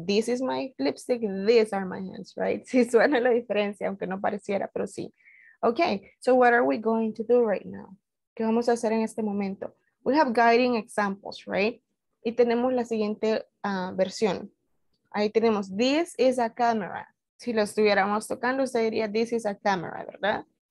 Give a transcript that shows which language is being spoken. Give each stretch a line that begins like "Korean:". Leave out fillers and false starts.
English: This is my lipstick, these are my hands, right?
Spanish: Sí suena la diferencia, aunque no pareciera, pero sí.
English: Okay, so what are we going to do right now?
Spanish: ¿Qué vamos a hacer en este momento?
English: We have guiding examples, right?
Spanish: Y tenemos la siguiente versión. Ahí tenemos,
English: this is a camera.
Spanish: Si lo estuviéramos tocando, usted diría,
English: this is a camera,
Spanish: ¿verdad?